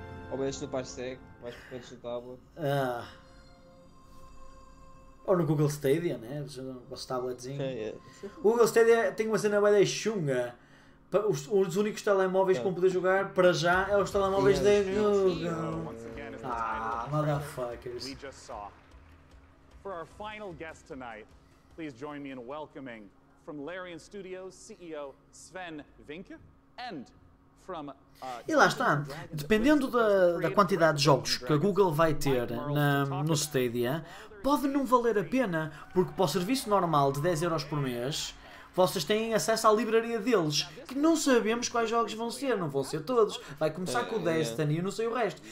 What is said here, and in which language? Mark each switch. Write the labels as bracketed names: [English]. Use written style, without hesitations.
[Portuguese] Ou menos no Pai Cego, mais por dentro do tablet. Ou no Google Stadia, né? O vosso tabletzinho. [English] Yeah, yeah. [Portuguese] O Google Stadia tem uma cena bem chunga. Os únicos telemóveis que vão poder jogar, para já, é os telemóveis da Google. [English] Ah, motherfuckers. We just saw. For our final guest tonight, please join me in welcoming from Larian Studios, CEO Sven Vinke, and [Portuguese] E lá está, dependendo da quantidade de jogos que a Google vai ter no Stadia, pode não valer a pena, porque para o serviço normal de 10€ por mês, vocês têm acesso à livraria deles, que não sabemos quais jogos vão ser, não vão ser todos, vai começar com o Destiny e não sei o resto.